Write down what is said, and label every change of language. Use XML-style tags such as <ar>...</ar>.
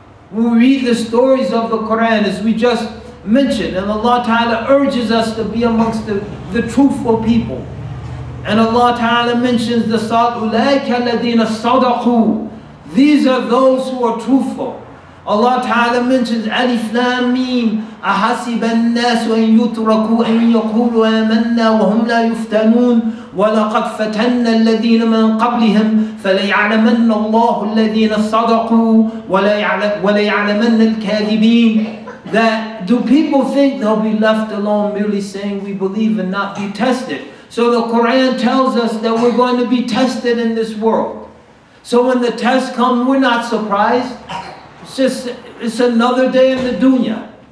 <en>When we read the stories of the Quran, as we just mentioned, and Allah Ta'ala urges us to be amongst the truthful people. And Allah Ta'ala mentions the أُولَٰئِكَ الَّذِينَ صَدَقُوا. These are those who are truthful.</en> <ar>Allah Ta'ala mentions Alif Lam Mim, أَحَسِبَ النَّاسُ أَن يُتْرَكُوا أَن يَقُولُوا آمَنَّا وَهُمْ لَا يُفْتَنُونَ وَلَقَدْ فَتَنَّا الَّذِينَ مِنْ قَبْلِهِمْ فَلَيَعْلَمَنَّ اللَّهُ الَّذِينَ صَدَقُوا وَلَيَعْلَمَنَّ الْكَاذِبِينَ.</ar> <en>That do people think they'll be left alone merely saying we believe and not be tested? So the Quran tells us that we're going to be tested in this world. So when the tests come, we're not surprised. It's another day in the dunya.</en>